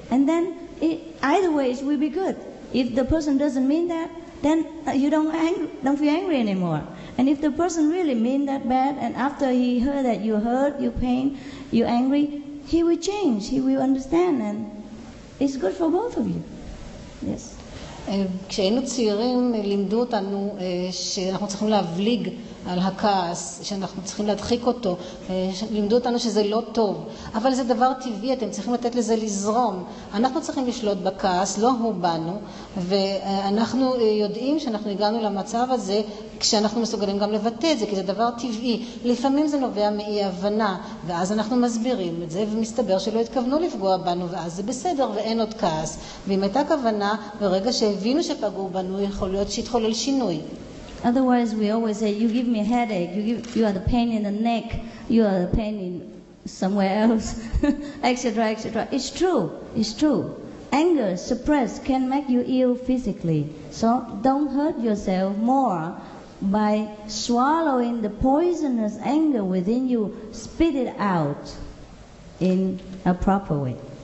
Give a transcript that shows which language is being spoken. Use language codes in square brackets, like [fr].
[en] And then either way it will be good. If the person doesn't mean that, then you don't feel angry anymore. And if the person really mean that bad, and after he heard that you hurt, you pain, you angry, he will change, he will understand, and it's good for both of you. Yes. [he] כשהיינו צעירים לימדו אותנו שאנחנו צריכים להבליג על הכעס, שאנחנו צריכים להדחיק אותו, לימדו אותנו שזה לא טוב, אבל זה דבר טבעי, אתם צריכים לתת לזה לזרום. אנחנו צריכים לשלוט בכעס, לא הוא בנו, ואנחנו יודעים שאנחנו הגענו למצב הזה כשאנחנו מסוגלים גם לבטא את זה, כי זה דבר טבעי. לפעמים זה נובע מאי הבנה, ואז אנחנו מסבירים את זה, ומסתבר שלא התכוונו לפגוע בנו, ואז זה בסדר, ואין עוד כעס. ואם הייתה כוונה, ברגע שהבינו שפגעו בנו, יכול להיות שהתחולל שינוי. [en] Otherwise, we always say, you give me a headache, you are the pain in the neck, you are the pain in somewhere else, etc., etc. It's true. Anger suppressed can make you ill physically. So don't hurt yourself more by swallowing the poisonous anger within you, spit it out in a proper way.